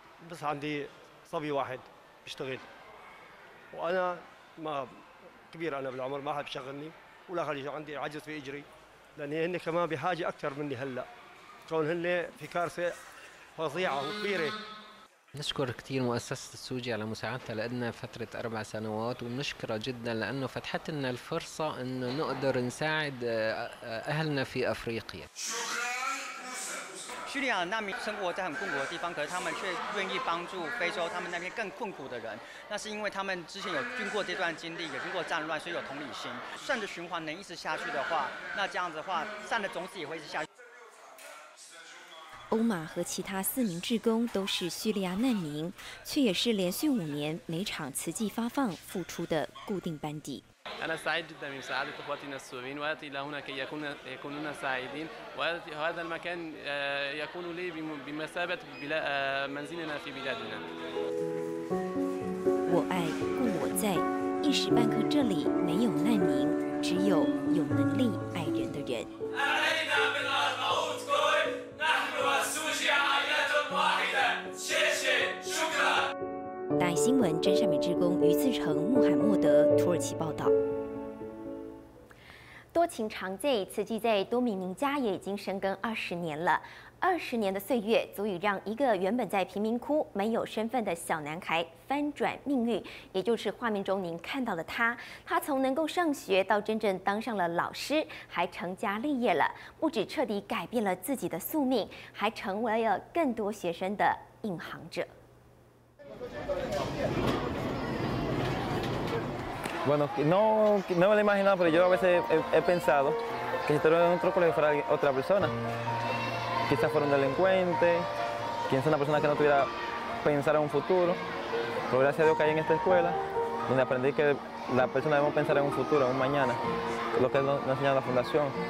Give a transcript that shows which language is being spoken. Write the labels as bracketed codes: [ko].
[ar] بس عندي صبي واحد بيشتغل وأنا ما كبير أنا بالعمر ما حد بيشغلني ولا خلي عندي عجز في إجري لأن هن كمان بحاجة أكثر مني هلا كون هن في كارثة فظيعة وكبيرة نشكر كتير مؤسسة السوجي على مساعدتها لنا فترة 4 سنوات ونشكره جدا لأنه فتحت لنا الفرصة إنه نقدر نساعد أهلنا في أفريقيا. [zh] 叙利亚难民生活在很困苦的地方，可是他们却愿意帮助非洲他们那边更困苦的人，那是因为他们之前有经过这段经历，也经过战乱，所以有同理心。善的循环能一直下去的话，那这样子的话，善的种子也会一直下去。欧玛和其他4名志工都是叙利亚难民，却也是连续5年每场慈济发放付出的固定班底。 [ar] أنا سعيد جدا من مساعدة إخواتنا السوريين وأتي إلى هنا كي يكونون سعيدين وهذا المكان يكون لي بمثابة منزلنا في بلادنا. [zh] 我爱故我在，一时半刻这里没有难民，只有有能力爱人的人。大爱新闻，真善美志工于自成、穆罕默德，土耳其报道。多情常在，慈济在多米宁家也已经生根20年了。 20年的岁月，足以让一个原本在贫民窟没有身份的小男孩翻转命运，也就是画面中您看到的他。他从能够上学到真正当上了老师，还成家立业了。不止彻底改变了自己的宿命，还成为了更多学生的引航者。 [es] Bueno, no me lo imaginaba, pero yo a veces he pensado que si estuviera en otro colegio fuera otra persona. Quizás fuera un delincuente, quizás una persona que no tuviera pensar en un futuro. Pero gracias a Dios caí en esta escuela y aprendí que la persona debe pensar en un futuro, en un mañana, lo que nos enseña la Fundación.